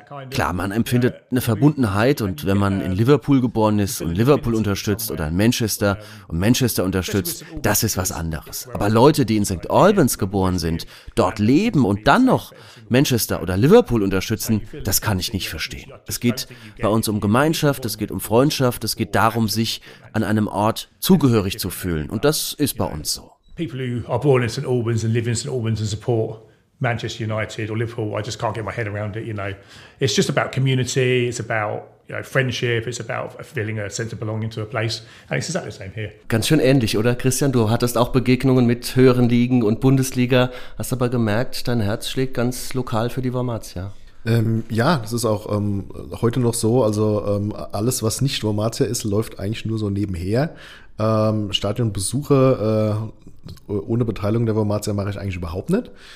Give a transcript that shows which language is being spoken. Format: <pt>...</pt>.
<de>Klar, man empfindet eine Verbundenheit und wenn man in Liverpool geboren ist und Liverpool unterstützt oder in Manchester und Manchester unterstützt, das ist was anderes. Aber Leute, die in St. Albans geboren sind, dort leben und dann noch Manchester oder Liverpool unterstützen, das kann ich nicht verstehen. Es geht bei uns um Gemeinschaft, es geht um Freundschaft, es geht darum, sich an einem Ort zugehörig zu fühlen und das ist bei uns so.</de> <en>People who are born in St. Albans and live in St. Albans and support Manchester United or Liverpool, I just can't get my head around it, you know. It's just about community, it's about, you know, friendship, it's about feeling a sense of belonging to a place. And it's exactly the same here.</en> <de>Ganz schön ähnlich, oder Christian? Du hattest auch Begegnungen mit höheren Ligen und Bundesliga, hast aber gemerkt, dein Herz schlägt ganz lokal für die Wormatia. Ja, das ist auch heute noch so. Also alles, was nicht Wormatia ist, läuft eigentlich nur so nebenher. Stadionbesuche ohne Beteiligung der Wormatia mache ich eigentlich überhaupt nicht.</de>